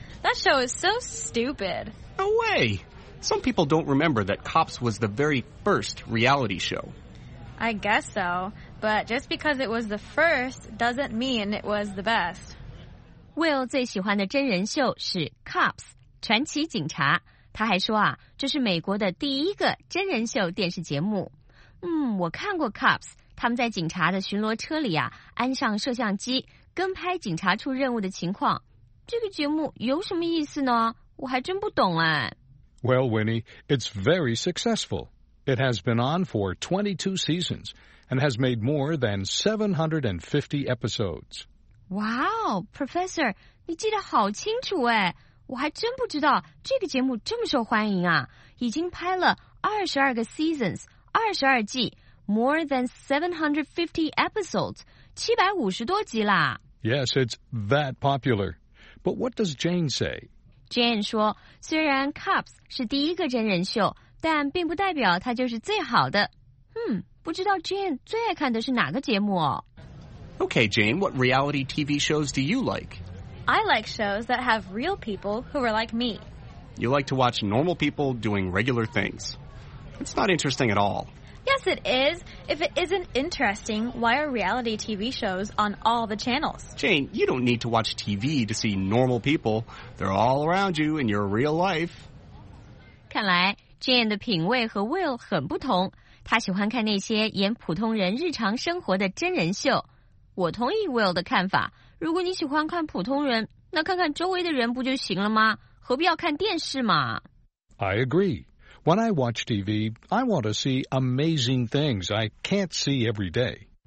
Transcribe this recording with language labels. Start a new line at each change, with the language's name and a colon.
English: That show is so stupid. No way! Some people don't remember that Cops was the very first reality show. I guess so, but just because it was the first doesn't mean it was the best.
Chinese: Will 最喜欢的真人秀是 Cops, 传奇警察。他还说啊，这是美国的第一个真人秀电视节目。我看过 Cops。他们在警察的巡逻车里啊，安上摄像机，跟拍警察出任务的情况。这个节目有什么意思呢？我还真不懂哎。
English: Well, Winnie, it's very successful. It has been on for 22 seasons and has made more than 750 episodes.
Chinese: Wow, Professor, 你记得好清楚哎！我还真不知道这个节目这么受欢迎啊！已经拍了22个 seasons， 22季。
English: More than 750 episodes,
Chinese: 750多集啦。
English: Yes, it's that popular. But what does Jane say?
Chinese: Jane 说，虽然 Cops 是第一个真人秀，但并不代表它就是最好的。嗯，不知道 Jane 最爱看的是哪个节目哦。
English: Okay, Jane, what reality TV shows do you like? I like shows that have real people who are like me. You like to watch normal people doing regular things. It's not interesting at all. Yes, it is. If it isn't interesting, why are reality TV shows on all the channels? Jane, you don't need to watch TV to see normal people. They're all around you in your real life.
Chinese: 看来 Jane 的品味和 Will 很不同。她喜欢看那些演普通人日常生活的真人秀。我同意 Will 的看法，如果你喜欢看普通人，那看看周围的人不就行了吗？何必要看电视嘛？
English: I agree. When I watch TV, I want to see amazing things I can't see every day.